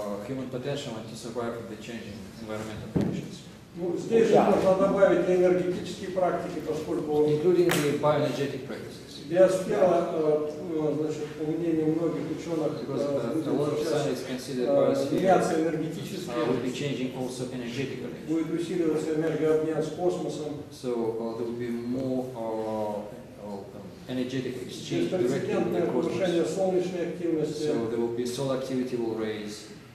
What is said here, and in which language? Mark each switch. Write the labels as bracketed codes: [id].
[en] The human potential and to survive the changing environmental conditions. [ru] Здесь же можно добавить и энергетические практики, поскольку [en] including the bioenergetic practices. [ru] Биосфера, значит, по мнению многих ученых, меняться энергетически, будет усиливаться энергообмен с космосом. [en] So there will be more energetic exchange directly in the cosmos. [ru] Повышение солнечной активности. [en] So there will be solar activity will raise.